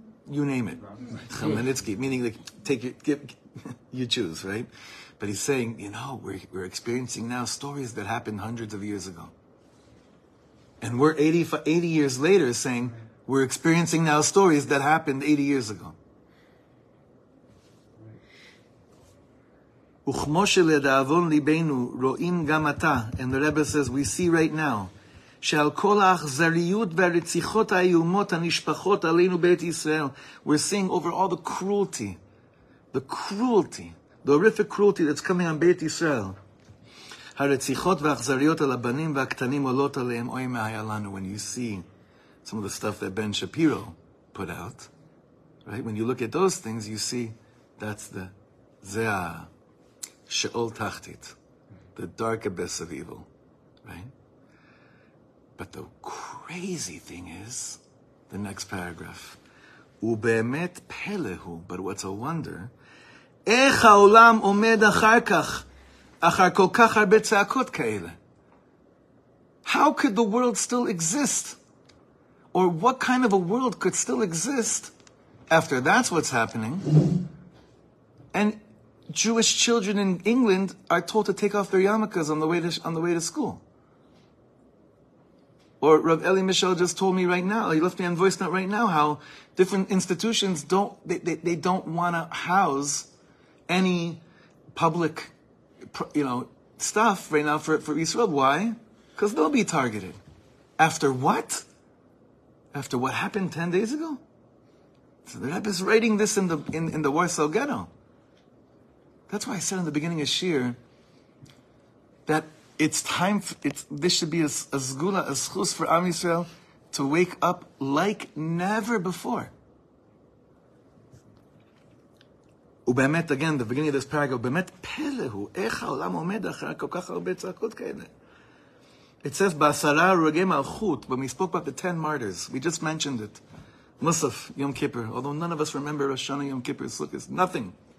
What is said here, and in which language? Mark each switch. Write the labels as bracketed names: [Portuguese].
[English] You name it. Chmelnytsky. Meaning like, you choose, right? But he's saying, you know, we're experiencing now stories that happened hundreds of years ago. And we're 80 years later saying, we're experiencing now stories that happened 80 years ago. [Hebrew] וכמו שלדאבון ליבנו רואים גם אתה, [English] and the Rebbe says, we see right now, [Hebrew] שעל כל האכזריות והרציחות האיומות הנשפחות עלינו בית ישראל, [English] we're seeing over all the cruelty, the horrific cruelty that's coming on [Hebrew] בית ישראל. הרציחות והאכזריות על הבנים והקטנים עולות עליהם, אוי מה היה לנו, [English] when you see some of the stuff that Ben Shapiro put out, right? When you look at those things, you see that's the [Hebrew] זה שאול תחתית, [English] the dark abyss of evil, right? But the crazy thing is, the next paragraph, [Hebrew] ובאמת פלא הוא, [English] but what's a wonder, [Hebrew] איך העולם עומד אחר כך, אחר כל כך הרבה צעקות כאלה. [English] How could the world still exist? Or what kind of a world could still exist after that's what's happening? And Jewish children in England are told to take off their yarmulkes on the way to school. Or Rav Eli Michel just told me right now, he left me on voice note right now, how different institutions they don't want to house any public, you know, stuff right now for Israel. Why? Because they'll be targeted. After what? After what happened 10 days ago? So the Rebbe is writing this in the Warsaw ghetto. That's why I said in the beginning of Shir that this should be a zgula, a zchus for Am Yisrael to wake up like never before. [Hebrew] ובאמת, [English] again, the beginning of this paragraph, [Hebrew] באמת פלא הוא, איך העולם עומד אחר כל כך הרבה צעקות כאלה? [English] It says, [Hebrew] בעשרה רגעי מלכות, [English] when we spoke about the 10 martyrs, we just mentioned it, מוסף, יום כיפר, although none of us remember Rosh Hashanah, יום כיפר, סוכות, nothing.